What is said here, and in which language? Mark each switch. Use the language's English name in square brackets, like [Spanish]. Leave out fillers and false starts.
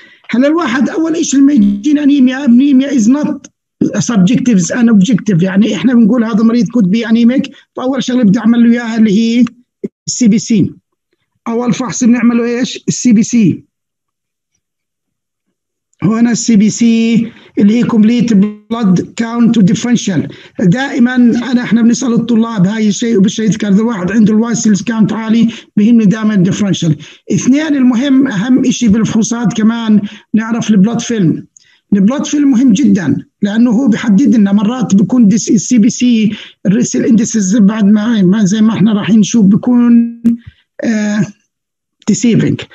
[Arabic] هلا الواحد أول إشي لما يجينا أنيميا [English] is not subjective, it's an objective. [Arabic] يعني إحنا بنقول هذا مريض [English] could be anemic، [Arabic] فأول شغلة بدي أعمل له إياها اللي هي CBC. أول فحص بنعمله إيش؟ CBC. هنا CBC اللي هي [English] complete blood count to differential. [Arabic] دائما احنا بنسأل الطلاب هاي الشيء وبشيء يذكر، إذا واحد عنده white cells count عالي بهمني دائما differential. اثنين، المهم اهم شيء بالفحوصات كمان نعرف البلود فيلم. البلود فيلم مهم جدا لانه هو بيحدد لنا، مرات بيكون CBC الريسل اندسز بعد ما زي ما احنا راح نشوف بيكون deceiving.